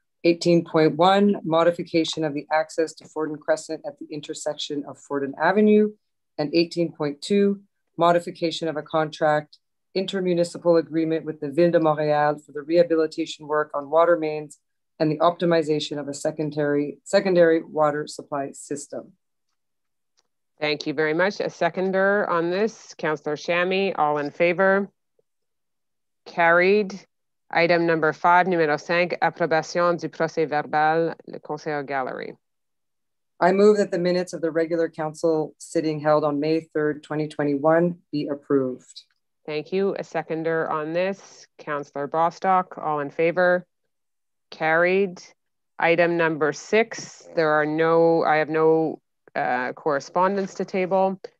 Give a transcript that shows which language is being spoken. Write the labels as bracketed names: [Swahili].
[English] 18.1, modification of the access to Fordham Crescent at the intersection of Fordham Avenue, and 18.2, modification of a contract intermunicipal agreement with the Ville de Montréal for the rehabilitation work on water mains and the optimization of a secondary water supply system. Thank you very much. A seconder on this, Councillor Chamie, all in favor? Carried. Item number 5, [French] numéro 5, approbation du procès verbal, le conseiller gallery. [English] I move that the minutes of the regular council sitting held on May 3rd, 2021 be approved. Thank you. A seconder on this, Councillor Bostock, all in favor? Carried. Item number 6, I have no correspondence to table.